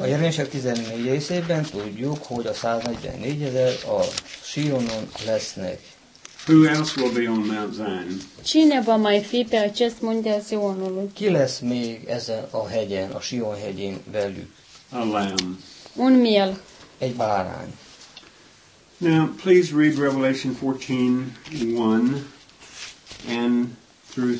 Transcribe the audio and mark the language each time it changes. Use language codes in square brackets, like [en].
[hu] A Jelenések 14-ben tudjuk, hogy a 144.000 a Sionon lesznek. [en] Who else will be on Mount Zion? [ro] Cine va mai fi pe acest munte Sionului? [hu] Ki lesz még ezen a hegyen, a Sion hegyén velük? [en] A lamb. [ro] Un miel. [hu] Egy bárány. [en] Now, please read Revelation 14:1 and through